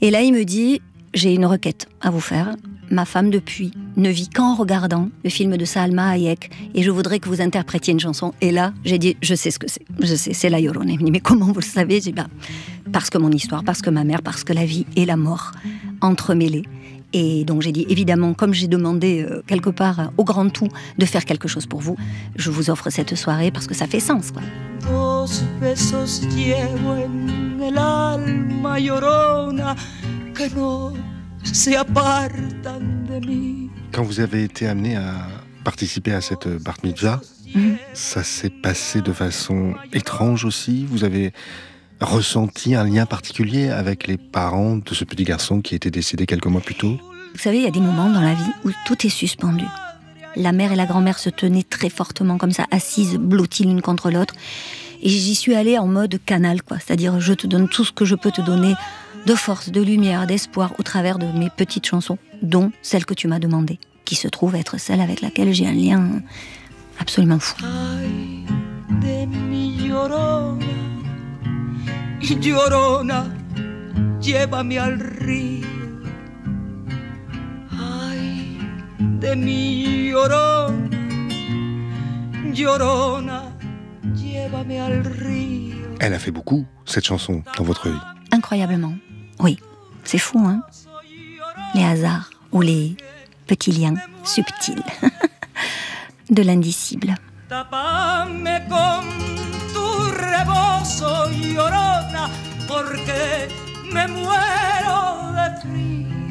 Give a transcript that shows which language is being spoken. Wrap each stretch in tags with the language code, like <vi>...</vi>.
<fr>Et là, il me dit « J'ai une requête à vous faire. Ma femme, depuis, ne vit qu'en regardant le film de Salma Hayek et je voudrais que vous interprétiez une chanson. » Et là, j'ai dit « Je sais ce que c'est. Je sais, c'est la Llorona. » Il me dit « Mais comment vous le savez ?» J'ai dit « Parce que mon histoire, parce que ma mère, parce que la vie et la mort entremêlées. » Et donc j'ai dit, évidemment, comme j'ai demandé quelque part au grand tout de faire quelque chose pour vous, je vous offre cette soirée parce que ça fait sens, quoi.</fr> <es>Dos besos llevo en el alma llorona que no se apartan de mí.</es> <fr>Quand vous avez été amené à participer à cette bar mitzvah, ça s'est passé de façon étrange aussi. Vous avez ressenti un lien particulier avec les parents de ce petit garçon qui était décédé quelques mois plus tôt. Vous savez, il y a des moments dans la vie où tout est suspendu. La mère et la grand-mère se tenaient très fortement comme ça, assises, blotties l'une contre l'autre. Et j'y suis allée en mode canal, quoi. C'est-à-dire, je te donne tout ce que je peux te donner de force, de lumière, d'espoir au travers de mes petites chansons, dont celle que tu m'as demandée, qui se trouve être celle avec laquelle j'ai un lien absolument fou.</fr> <es>Ay, de mi llorona, llorona, llévame al río. Ay, de mi llorona, llorona, llévame al río.</es> <fr>Elle a fait beaucoup, cette chanson, dans votre vie. Incroyablement, oui. C'est fou, hein? Les hasards, ou les petits liens subtils. De l'indicible.</fr> <es>Tapame con tu rebozo, llorona, porque me muero de frío.</es>